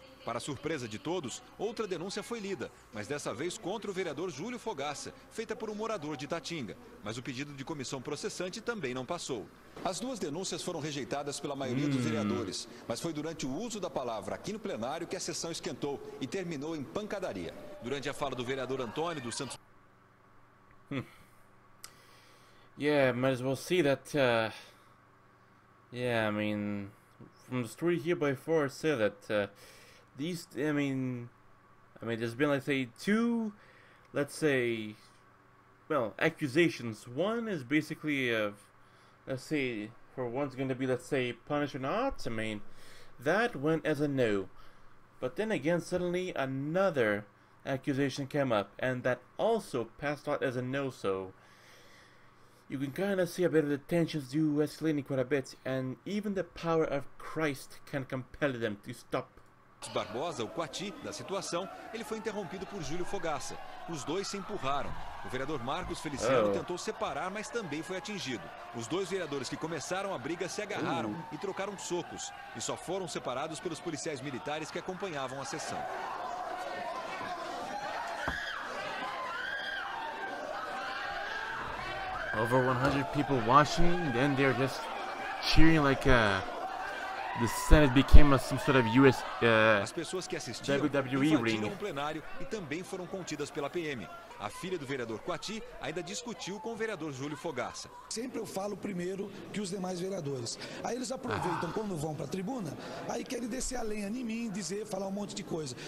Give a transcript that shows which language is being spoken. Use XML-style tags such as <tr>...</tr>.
<pt>Para surpresa de todos, outra denúncia foi lida, mas dessa vez contra o vereador Júlio Fogaça, feita por um morador de Itatinga. Mas o pedido de comissão processante também não passou. As duas denúncias foram rejeitadas pela maioria dos vereadores, mas foi durante o uso da palavra aqui no plenário que a sessão esquentou e terminou em pancadaria. Durante a fala do vereador Antônio dos Santos...</pt> <en>Yeah, might as well see that, yeah, I mean, from the story here by far, I say that, there's been, let's say, two, let's say, well, accusations. One is basically of, let's say, for one's gonna be, let's say, punished or not. I mean, that went as a no. But then again, suddenly another accusation came up, and that also passed out as a no, so you can kind of see a bit of the tensions do escalating quite a bit, and even the power of Christ can compel them to stop.</en> <pt>Barbosa, o Quati, da situação, ele foi interrompido por Júlio Fogaça. Os dois se empurraram. O vereador Marcos Feliciano tentou separar, mas também foi atingido. Os dois vereadores que começaram a briga se agarraram e trocaram socos, e só foram separados pelos policiais militares que acompanhavam a sessão.</pt> <en>Over 100 people watching, then they're just cheering like the Senate became some sort of US</en> <pt>As pessoas que assistiam</pt> <en>WWE ring.</en> <pt>Um plenário e também foram contidas pela PM. A filha do vereador Quati ainda discutiu com o vereador Júlio Fogaça. Sempre eu falo primeiro que os demais vereadores. Aí eles aproveitam quando vão para a tribuna, aí querem descer a lenha em mim, dizer, falar um monte de coisa.</pt>